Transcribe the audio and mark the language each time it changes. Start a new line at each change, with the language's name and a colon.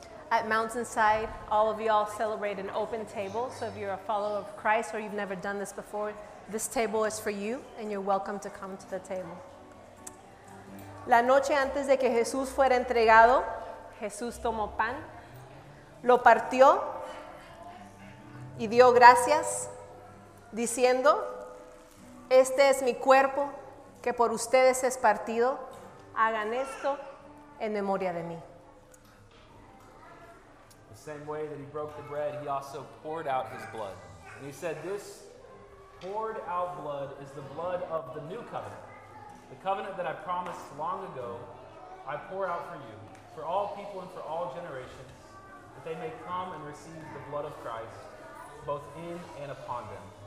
English: At Mountainside, all of you all celebrate an open table. So if you're a follower of Christ or you've never done this before, this table is for you, and you're welcome to come to the table.
Spanish: La noche antes de que Jesús fuera entregado, Jesús tomó pan, lo partió y dio gracias, diciendo, este es mi cuerpo que por ustedes es partido, hagan esto en memoria de mí.
English: The same way that he broke the bread, he also poured out his blood. And he said, this poured out blood is the blood of the new covenant. The covenant that I promised long ago, I pour out for you, for all people and for all generations, that they may come and receive the blood of Christ, both in and upon them.